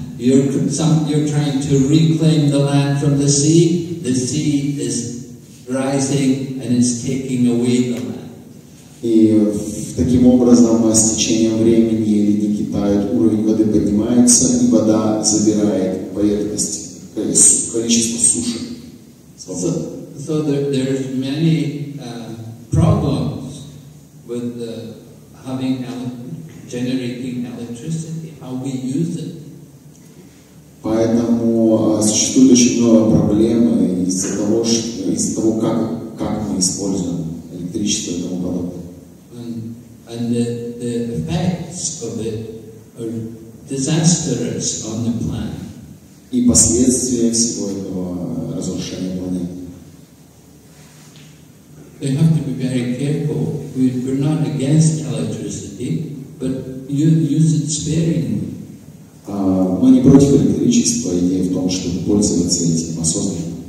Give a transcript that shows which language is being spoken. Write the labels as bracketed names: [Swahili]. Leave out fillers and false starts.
[English] You're trying to reclaim the land from the sea. The sea is rising and it's taking away the land. [Russian] И таким образом, с течением времени ледники тают, уровень воды поднимается, и вода забирает поверхность, количество суши. [English] So there are many problems with having generating electricity, how we use it. [Russian] Поэтому существует очень много проблем из-за того, как мы используем электричество и тому подобное. [English] And the effects of it are disastrous on the planet. [Russian] И последствия всего этого разрушения планеты. [English] We have to be very careful. We're not against electricity, but use it sparingly. [Russian] Мы не против электричества, идея в том, чтобы пользоваться этим осознанно.